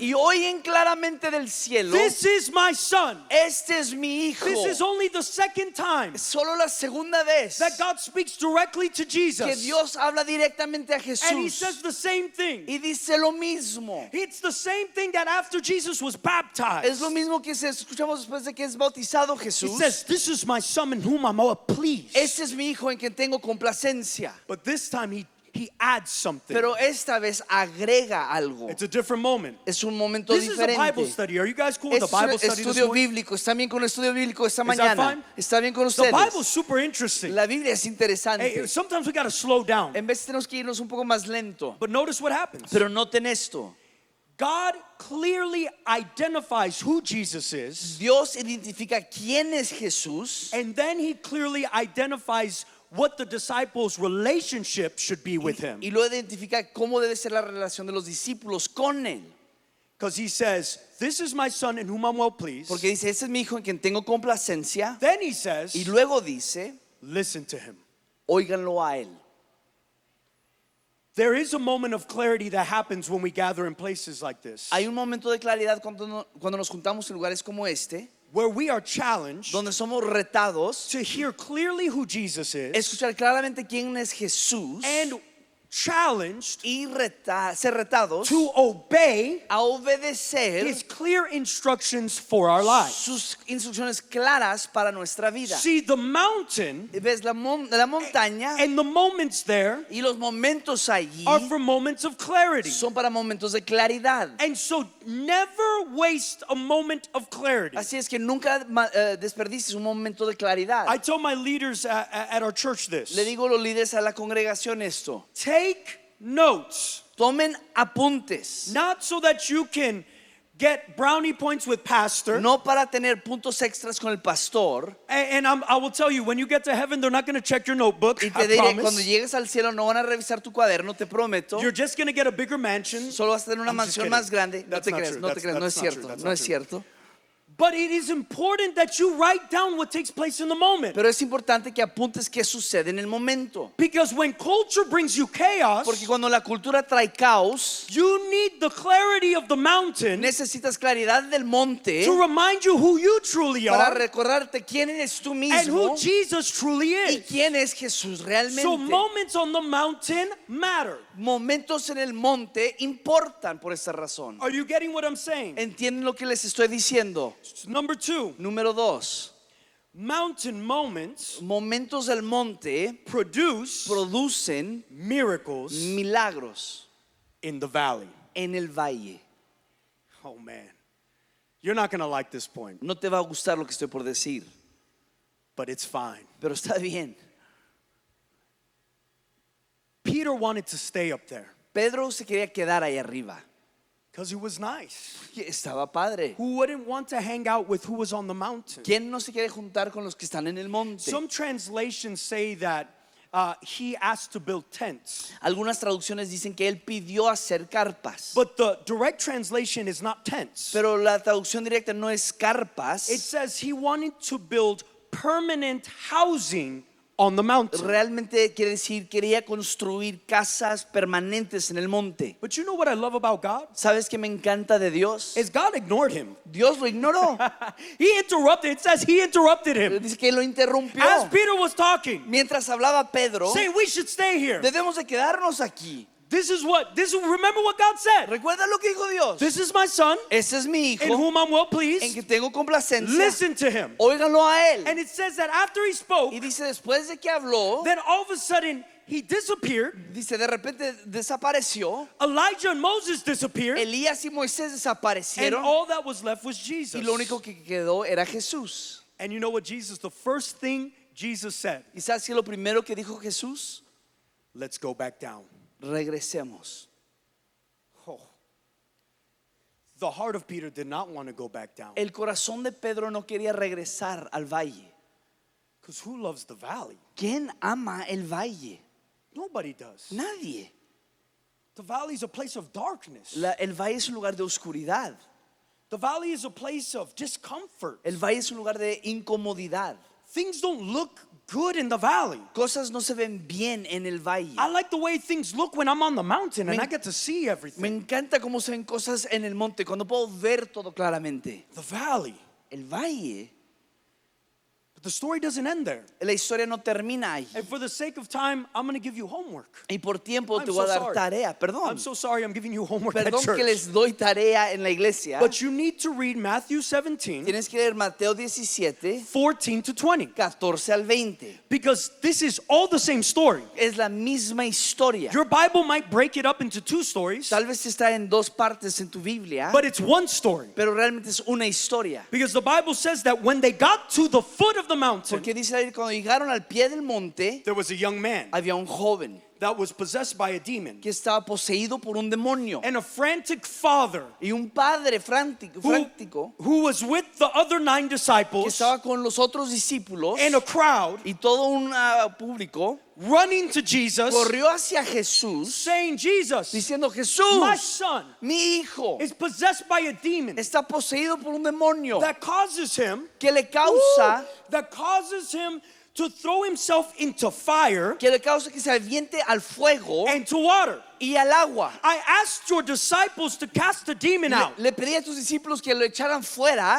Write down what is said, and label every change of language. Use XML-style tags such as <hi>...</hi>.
<es>Y oyen claramente del cielo.</es> <en>This is my son.</en> <es>Este es mi hijo.</es> <en>This is only the second time.</en> <es>Solo la segunda vez.</es> <en>That God speaks directly to Jesus.</en> <es>Que Dios habla directamente a Jesús.</es> <en>And he says the same thing.</en> <es>Y dice lo mismo.</es> <en>It's the same thing that after Jesus was baptized.</en> <es>Es lo mismo que escuchamos después de que es bautizado Jesús.</es> <en>He says, "This is my son in whom I'm well pleased."</en> <es>Este es mi hijo en quien tengo complacencia.</es> <en>But this time he adds something.</en> <es>Pero esta vez agrega algo.</es> <en>It's a different moment.</en> <es>Es un momento</es> <en>this</en> <es>diferente.</es> <en>This is a Bible study. Are you guys cool with the Bible study?</en> <es>Estudio bíblico. ¿Está bien con el estudio bíblico esta mañana? ¿Está bien con ustedes?</es> <en>The Bible is super interesting.</en> <es>La Biblia es interesante.</es> <en>Hey, sometimes we got to slow down.</en> <es>En veces tenemos que irnos un poco más lento.</es> <en>But notice what happens.</en> <es>Pero noten esto.</es> <en>God clearly identifies who Jesus is.</en> <es>Dios identifica quién es Jesús.</es> <en>And then he clearly identifies what the disciples' relationship should be with him.</en> <es>Y lo identifica cómo debe ser la relación de los discípulos con él.</es> <en>Because he says, "This is my son in whom I'm well pleased."</en> <es>Porque dice, "Este es mi hijo en quien tengo complacencia."</es> <en>Then he says,</en> <es>y luego dice,</es> <en>"Listen to him."</en> <es>Óiganlo a él.</es> <en>There is a moment of clarity that happens when we gather in places like this.</en> <es>Hay un momento de claridad cuando nos juntamos en lugares como este.</es> <en>Where we are challenged.</en> <es>Donde somos retados.</es> <en>To hear clearly who Jesus is.</en> <es>Escuchar claramente quién es Jesús.</es> <en>And challenged.</en> <es>Y ser retados.</es> <en>To obey.</en> <es>A obedecer.</es> <en>His clear instructions for our lives.</en> <es>Sus instrucciones claras para nuestra vida.</es> <en>See the mountain.</en> <es>Ves la montaña.</es> <en>And the moments there.</en> <es>Y los momentos allí.</es> <en>Are for moments of clarity.</en> <es>Son para momentos de claridad.</es> <en>And so never waste a moment of clarity.</en> <es>Así es que nunca desperdices un momento de claridad.</es> <en>I told my leaders at our church this.</en> <es>Le digo a los líderes a la congregación esto.</es> <en>Take notes.</en> <es>Tomen apuntes.</es> <en>Not so that you can get brownie points with pastor.</en> <es>No para tener puntos extras con el pastor.</es> <en>And I will tell you, when you get to heaven, they're not going to check your notebook.</en> <es>Y te</es> <en>I</en> <es>diré,</es> <en>promise.</en> <es>Cuando llegues al cielo, no van a revisar tu cuaderno. Te prometo.</es> <en>You're just going to get a bigger mansion.</en> <es>Solo vas a tener una</es> <en>I'm</en> <es>mansión más grande.</es> <en>That's</en> <es>no te crees.</es> <en>True.</en> <es>No te crees. No es cierto. No es cierto.</es> <en>But it is important that you write down what takes place in the moment.</en> <es>Pero es importante que apuntes qué sucede en el momento.</es> <en>Because when culture brings you chaos,</en> <es>porque cuando la cultura trae caos,</es> <en>you need the clarity of the mountain.</en> <es>Necesitas claridad del monte.</es> <en>To remind you who you truly are.</en> <es>Para recordarte quién eres tú mismo.</es> <en>And who Jesus truly is.</en> <es>Y quién es Jesús realmente.</es> <en>So moments on the mountain matter.</en> <es>Momentos en el monte importan por esa razón.</es> <en>Are you getting what I'm saying?</en> <es>¿Entienden lo que les estoy diciendo?</es> <en>Number two.</en> <es>Número dos.</es> <en>Mountain moments.</en> <es>Momentos del monte. Producen</es> <en>miracles.</en> <es>Milagros.</es> <en>In the valley.</en> <es>En el valle.</es> <en>Oh man, you're not gonna like this point.</en> <es>No te va a gustar lo que estoy por decir.</es> <en>But it's fine.</en> <es>Pero está bien.</es> <en>Peter wanted to stay up there.</en> <es>Pedro se quería quedar ahí arriba.</es> <en>Because he was nice.</en> <es>Porque estaba padre.</es> <en>Who wouldn't want to hang out with who was on the mountain?</en> <es>¿Quién no se quiere juntar con los que están en el monte?</es> <en>Some translations say that he asked to build tents.</en> <es>Algunas traducciones dicen que él pidió hacer carpas.</es> <en>But the direct translation is not tents.</en> <es>Pero la traducción directa no es carpas.</es> <en>It says he wanted to build permanent housing on the mountain.</en> <es>Realmente quiere decir quería construir casas permanentes en el monte.</es> <en>But you know what I love about God?</en> <es>¿Sabes qué me encanta de Dios?</es> <en>Is God ignored him.</en> <es>Dios lo ignoró.</es> <en>He interrupted. It says he interrupted him.</en> <es>Dice que lo interrumpió.</es> <en>As Peter was talking.</en> <es>Mientras hablaba Pedro.</es> <en>Say we should stay here.</en> <es>Debemos de quedarnos aquí.</es> <en>Remember what God said.</en> <es>Recuerda lo que dijo Dios.</es> <en>This is my son.</en> <es>Este es mi hijo.</es> <en>In whom I'm well pleased.</en> <es>En que tengo complacencia.</es> <en>Listen to him.</en> <es>Óiganlo a él.</es> <en>And it says that after he spoke.</en> <es>Y dice después de que habló.</es> <en>Then all of a sudden he disappeared.</en> <es>Dice de repente desapareció.</es> <en>Elijah and Moses disappeared.</en> <es>Elías y Moisés desaparecieron.</es> <en>And all that was left was Jesus.</en> <es>Y lo único que quedó era Jesús.</es> <en>And you know what Jesus, the first thing Jesus said?</en> <es>¿Y sabes qué lo primero que dijo Jesús?</es> <en>Let's go back down.</en> <es>Regresemos. Oh.</es> <en>The heart of Peter did not want to go back down.</en> <es>El corazón de Pedro no quería regresar al valle.</es> <en>Because who loves the valley?</en> <es>¿Quién ama el valle?</es> <en>Nobody does.</en> <es>Nadie.</es> <en>The valley is a place of darkness.</en> <es>El valle es un lugar de oscuridad.</es> <en>The valley is a place of discomfort.</en> <es>El valle es un lugar de incomodidad.</es> <en>Things don't look good in the valley.</en> <es>Cosas no se ven bien en el valle.</es> <en>I like the way things look when I'm on the mountain and I get to see everything.</en> <es>Me encanta cómo se ven cosas en el monte cuando puedo ver todo claramente.</es> <en>The valley.</en> <es>El valle.</es> <en>The story doesn't end there.</en> <es>La historia no termina ahí.</es> <en>And for the sake of time, I'm going to give you homework.</en> <es>Y por tiempo te voy a dar tarea. Perdón.</es> <en>I'm so sorry. I'm giving you homework.</en> <es>Perdón</es> <en>at church.</en> <es>Que les doy tarea en la iglesia.</es> <en>But you need to read Matthew 17.</en> <es>Tienes que leer Mateo 17.</es> <en>14 to 20.</en> <es>14 al 20.</es> <en>Because this is all the same story.</en> <es>Es la misma historia.</es> <en>Your Bible might break it up into two stories.</en> <es>Tal vez está en dos partes en tu Biblia.</es> <en>But it's one story.</en> <es>Pero realmente es una historia.</es> <en>Because the Bible says that when they got to the foot of the mountain, there was a young man,</en> <es>había un joven,</es> <en>that was possessed by a demon,</en> <es>que estaba poseído por un demonio,</es> <en>and a frantic father,</en> <es>y un padre frantico,</es> <en>who was with the other nine disciples,</en> <es>que estaba con los otros discípulos,</es> <en>and a crowd,</en> <es>y todo un público,</es> <en>running to Jesus,</en> <es>corrió hacia Jesús,</es> <en>saying Jesus,</en> <es>diciendo Jesús,</es> <en>my son,</en> <es>mi hijo,</es> <en>is possessed by a demon,</en> <es>está poseído por un demonio,</es> <en>that causes him,</en> <es>que le causa,</es> <en>ooh, that causes him to throw himself into fire,</en> <es>que le causa que se aviente al fuego,</es> <en>and to water,</en> <es>y al agua.</es> <en>I asked your disciples to cast the demon out.</en> <es>Le pedí a tus discípulos que lo echaran fuera,</es>